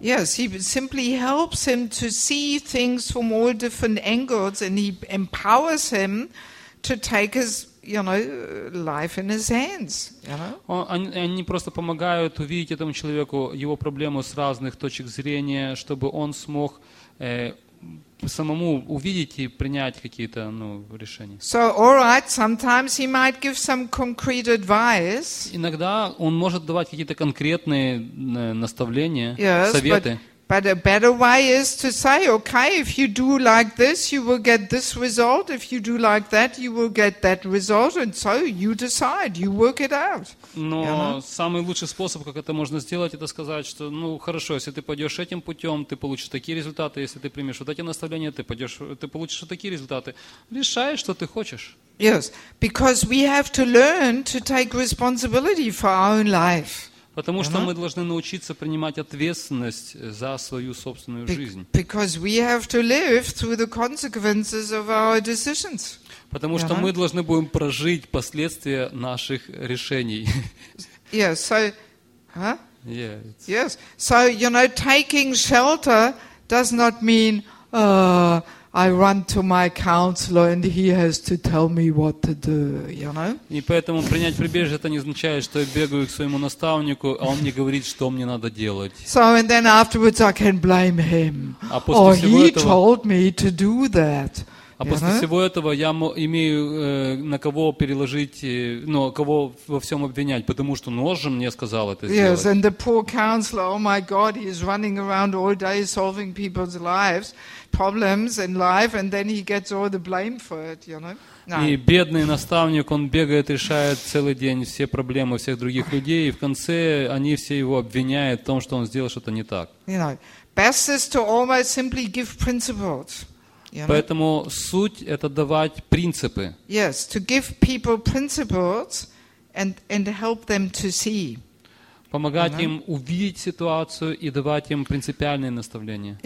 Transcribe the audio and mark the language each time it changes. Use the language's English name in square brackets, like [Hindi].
[English] Yes, he simply helps him to see things from all different angles, and he empowers him to take his, you know, life in his hands. You know? [Russian] Они просто помогают увидеть этому человеку его проблему с разных точек зрения, чтобы он смог самому увидеть и принять какие-то решения. [English] So, all right, sometimes he might give some concrete advice. [Russian] Иногда он может давать какие-то конкретные наставления, [English] yes, [Russian] советы. [English] But, But a better way is to say, okay, if you do like this, you will get this result. If you do like that, you will get that result. And so you decide, you work it out. [Russian] Но самый лучший способ, как это можно сделать, это сказать, что, ну, хорошо, если ты пойдешь этим путем, ты получишь такие результаты. Если ты примешь вот эти наставления, ты получишь вот такие результаты. Решай, что ты хочешь. [English] Yes, because we have to learn to take responsibility for our own life. [Russian] Потому что мы должны научиться принимать ответственность за свою собственную жизнь. [English] Because we have to live through the consequences of our decisions. [Russian] Потому что мы должны будем прожить последствия наших решений. [English] Yes, so, huh? Yeah, yes, so, you know, taking shelter does not mean, I run to my counselor and he has to tell me what to do, you know? [Russian] И поэтому принять прибежище это не означает, что я бегаю к своему наставнику, а он мне говорит, что мне надо делать. [English] So and then afterwards I can blame him. Or he told me to do that. [Russian] А после всего этого я имею на кого переложить, ну, кого во всем обвинять, потому что он же мне сказал это сделать. [English] Yes, and the poor counselor, oh my God, he's running around all day solving people's lives. Problems in life, and then he gets all the blame for it, you know. [Russian] И бедный наставник, он бегает, решает целый день все проблемы всех других людей, и в конце они все его обвиняют в том, что он сделал что-то не так. [English] You know, best is to almost simply give principles. [Russian] Поэтому суть это давать принципы. [English] Yes, to give people principles and help them to see. [Russian] Помогать им увидеть ситуацию и давать им принципиальные наставления.